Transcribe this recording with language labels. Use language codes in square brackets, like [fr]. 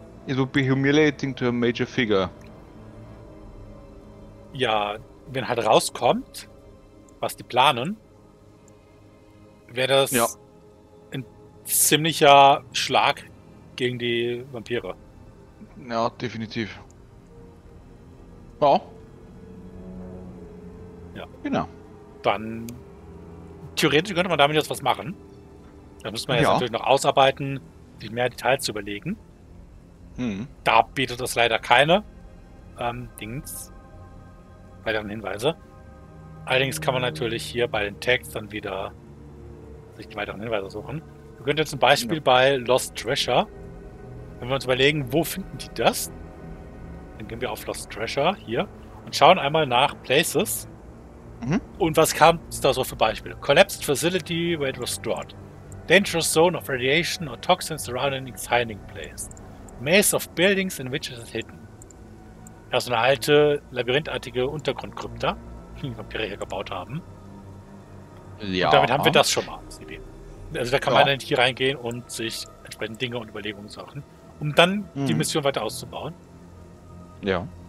[en] It would be humiliating to a major figure. [de] Ja, wenn halt rauskommt, was die planen, wäre das ja ein ziemlicher Schlag gegen die Vampire. Ja, definitiv. Ja. Ja. Genau. Dann theoretisch könnte man damit jetzt was machen. Da müsste man jetzt ja natürlich noch ausarbeiten, sich mehr Details zu überlegen. Da bietet es leider keine Dings, weiteren Hinweise. Allerdings kann man natürlich hier bei den Tags dann wieder sich die weiteren Hinweise suchen. Wir könnten jetzt zum Beispiel bei Lost Treasure, wenn wir uns überlegen, wo finden die das, dann gehen wir auf Lost Treasure hier und schauen einmal nach Places. Und was kam da so für Beispiele? [en] Collapsed Facility where it was stored. Dangerous Zone of Radiation or Toxins surrounding its hiding place. Maze of Buildings in which it is hidden. [de] Ja, so eine alte, labyrinthartige Untergrundkrypta, die Vampire hier gebaut haben. Ja. Und damit haben wir das schon mal. Also da kann man dann hier reingehen und sich entsprechend Dinge und Überlegungen suchen, um dann die Mission weiter auszubauen. Ja.